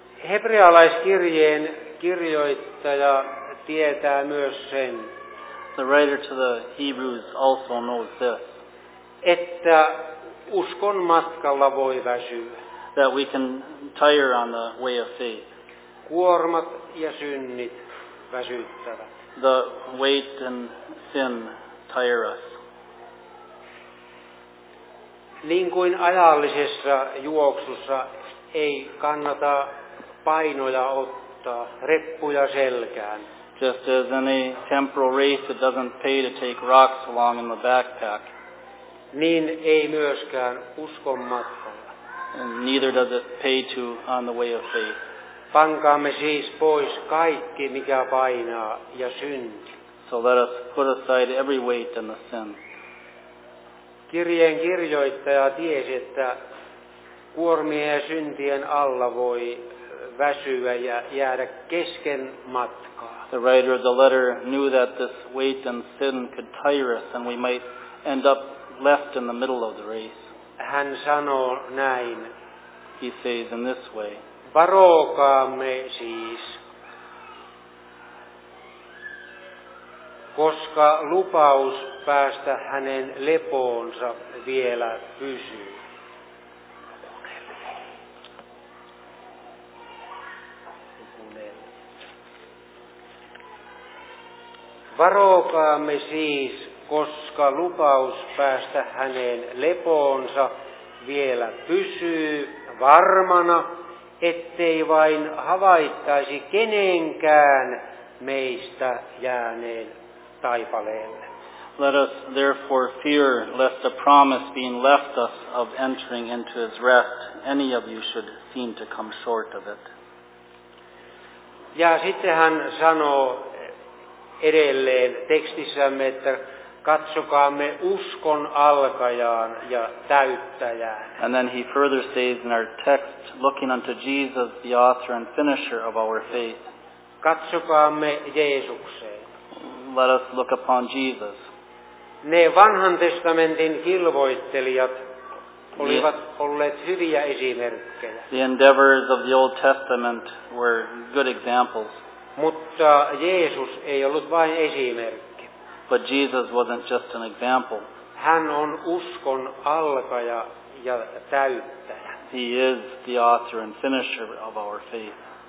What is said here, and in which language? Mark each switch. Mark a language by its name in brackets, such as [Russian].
[Finnish] Hebrealaiskirjeen kirjoittaja tietää myös sen. [English] The writer to the Hebrews also knows this. [Finnish] Että uskon matkalla voi väsyä. [English] That we can tire on the way of faith. [Finnish] Kuormat ja synnit väsyttävät. [English] The weight and sin tire us. [Finnish] Niin kuin ajallisessa juoksussa ei kannata painoja ottaa, reppuja selkään. [English] Just as in a temporal race, it doesn't pay to take rocks along in the backpack. [Finnish] Niin ei myöskään uskon matkalla. [English] And neither does it pay to on the way of faith. [Finnish] Pankaamme siis pois kaikki, mikä painaa ja synti. [English] So let us put aside every weight and the sin. [Finnish] Kirjeen kirjoittaja tiesi, että kuormien ja syntien alla voi väsyä ja jäädä kesken matkaa. [English] The writer of the letter knew that this weight and sin could tire us and we might end up left in the middle of the race. [Finnish] Hän sanoo näin. [English] He says in this way. [Finnish] Varokaamme siis, koska lupaus päästä hänen lepoonsa vielä pysyy. Varokaamme siis, koska lupaus päästä häneen lepoonsa vielä pysyy varmana, ettei vain havaittaisi kenenkään meistä jääneen taipaleelle. [English] Let us therefore fear, lest a promise being left us of entering into his rest, any of you should seem to come short of it. [Finnish] Ja sitten hän sanoo edelleen tekstissämme, että katsokaamme uskon alkajaan ja täyttäjään. [English] And then he further says in our text, looking unto Jesus, the author and finisher of our faith. [Finnish] Katsokaamme Jeesukseen. [English] Let us look upon Jesus. [Finnish] Ne vanhan testamentin kilvoittelijat olivat olleet hyviä esimerkkejä. [English] The endeavors of the Old Testament were good examples. [Finnish] Mutta Jeesus ei ollut vain esimerkki. [English] But Jesus wasn't just an example. [Finnish] Hän on uskon alkaja ja täyttäjä. [English] He is the author and finisher of our faith.